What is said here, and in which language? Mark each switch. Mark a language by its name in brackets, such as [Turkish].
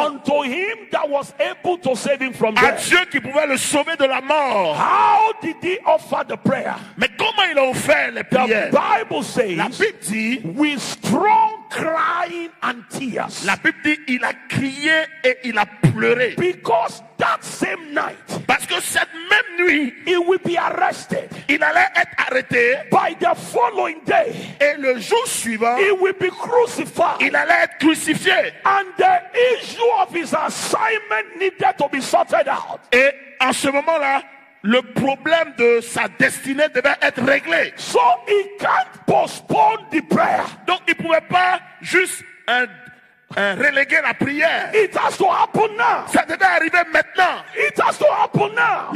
[English] unto him that was able to save him from death. [French] À Dieu qui pouvait le sauver de la mort. [English] How did he offer the prayer? [French] Mais comment il a offert les prières? [English] The Bible says, [French] la Bible dit, [English] with strong crying and tears. [French] La Bible dit, il a crié et il a pleuré. [English] Because that same night, [French] parce que cette même nuit, [English] he will be arrested. [French] Il allait être arrêté. [English] By the following day, [French] et le jour suivant, [English] he will be crucified. [French] Il allait être crucifié. [English] And the issue of his assignment needed to be sorted out. [French] Et en ce moment-là, le problème de sa destinée devait être réglé. [English] So he can't postpone the prayer. [French] Donc il ne pouvait pas juste reléguer la prière. [English] It has to happen now. [French] Ça devait arriver maintenant. [English] It has to happen now.